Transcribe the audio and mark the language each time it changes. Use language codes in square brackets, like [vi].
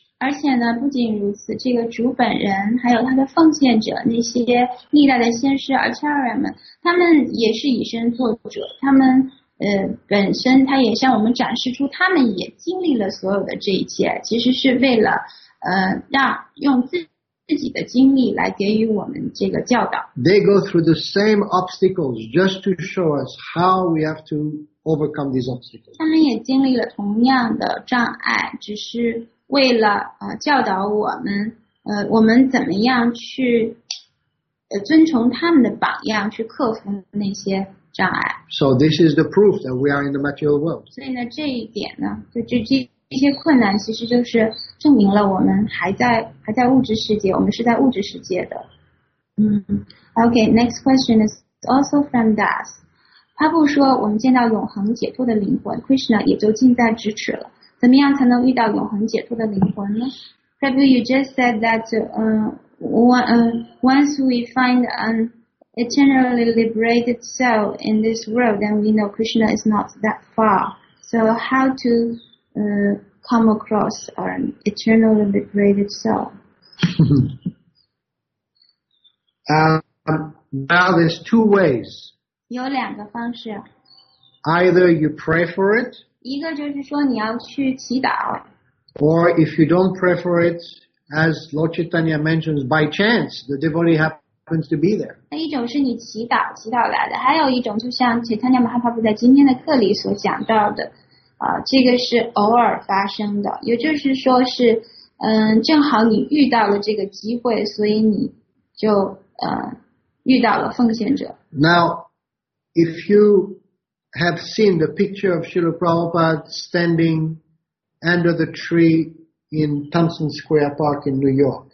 [zh] 而且呢,不仅如此,这个主本人,还有他的奉献者,那些历代的先师 acharya 们,他们也是以身作则,他们本身他也向我们展示出他们也经历了所有的这一切,其实是为了让用自己的经历来给予我们这个教导。 [en] They go through the same obstacles just to show us how we have to overcome these obstacles. [zh] 他们也经历了同样的障碍，只是为了教导我们，我们怎么样去遵从他们的榜样去克服那些障碍。 [en] So this is the proof that we are in the material world. [zh] 所以呢，这一点呢，这些困难其实就是证明了我们还在物质世界，我们是在物质世界的。 [en] Okay, next question is also from Das. [zh] 他不说我们见到永恒解脱的灵魂 ，Krishna 也就近在咫尺了。怎么样才能遇到永恒解脱的灵魂呢 ？ [en] Prabhu, you just said that once we find an eternally liberated soul in this world, then we know Krishna is not that far. So how to come across an eternal liberated soul. Now there's two ways. [zh] 有两个方式。 [en] Either you pray for it. [zh] 一个就是说你要去祈祷。 [en] Or if you don't pray for it, as Lord Chaitanya mentions, by chance the devotee happens to be there. [zh] 一种是你祈祷来的，还有一种就像 Chaitanya Mahaprabhu 在今天的课里所讲到的。这个是偶尔发生的，也就是说是，正好你遇到了这个机会，所以你就遇到了奉献者。 [en] Now, if you have seen the picture of Srila Prabhupada standing under the tree in Thompson Square Park in New York,